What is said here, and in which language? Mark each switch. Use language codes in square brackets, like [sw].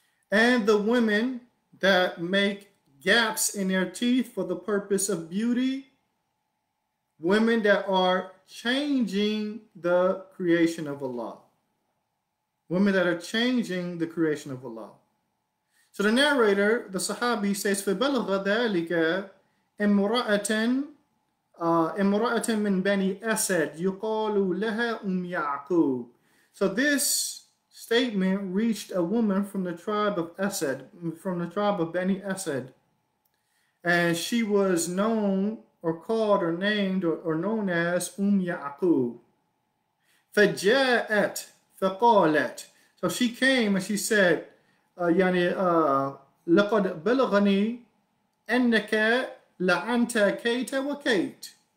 [en] And the women that make gaps in their teeth for the purpose of beauty, women that are changing the creation of Allah. Women that are changing the creation of Allah. So the narrator, the Sahabi, says, [ar] فَبَلَغَ ذَلِكَ إِمْرَأَةً مِنْ بَنِي أَسَدْ يُقَالُ لَهَا يَعْقُوبُ. [en] So this statement reached a woman from the tribe of Asad, from the tribe of Bani Asad. And she was known or called or named or known as يَعْقُوبُ. [ar] فَجَاءَتْ فَقَالَتْ. [en] So she came and she said, [ar] لَقَدْ بَلَغَنِي أَنَّكَ لَعَنْتَ كَيْتَ وَكَيْتَ.